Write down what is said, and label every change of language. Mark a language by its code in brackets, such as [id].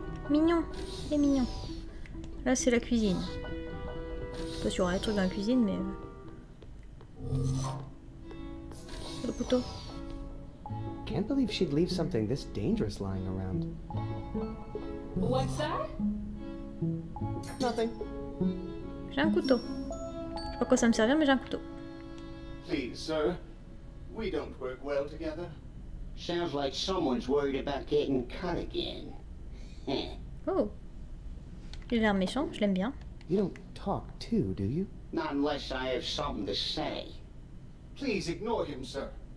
[fr] Mignon, il est mignon. Là c'est la cuisine. Je sais pas s'il y aura des trucs dans la cuisine, mais... Le couteau. [en] Can't believe she'd leave something this dangerous lying around. What's that? Nothing. [fr] J'ai un couteau. Je sais pas quoi ça me servir, mais j'ai un couteau. [en] Please, sir. We don't work well together. Sounds like someone's worried about getting cut again. [fr] Oh. Il a l'air méchant, je l'aime bien. [en] You don't talk too, do you? Not unless I have something to say. Please ignore him, sir.